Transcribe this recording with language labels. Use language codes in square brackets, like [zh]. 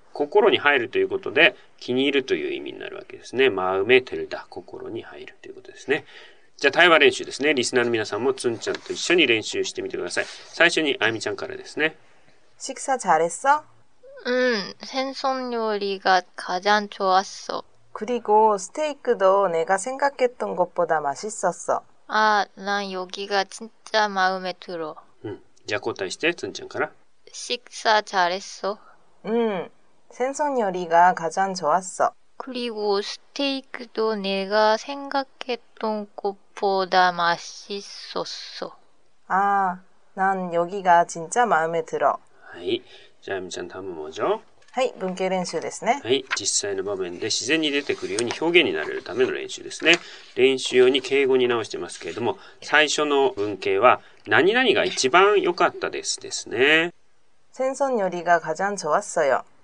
[ja] 心に入るということで気に入るという意味になるわけですね。マウメテルダ、心に入るということですね。じゃあ対話練習ですね。リスナーの皆さんもツンちゃんと一緒に練習してみてください。最初にあゆみちゃんからですね。 [ko] 식사잘했어。うん、생선요리가가장좋았어。 그리고스테이크도내가생각했던것보다맛있었어。 아난여기가진짜마음에들어。 [ja] うん、じゃあ交代してツンちゃんから。 [ko] 식사잘했어。うん、생선요리가가장좋았어。 그리고스테이크도내가생각했던것보다맛있었어。 아난여기가진짜마음에들어。 [ja] はい、じゃあみちゃん、 [ko] 다음은뭐죠？ [ja] はい、文型練習ですね。はい、実際の場面で自然に出てくるように表現になれるための練習ですね。練習用に敬語に直してますけれども、最初の文型は何々が一番良かったですですね。 [ko] 생선요리가가장좋았어요。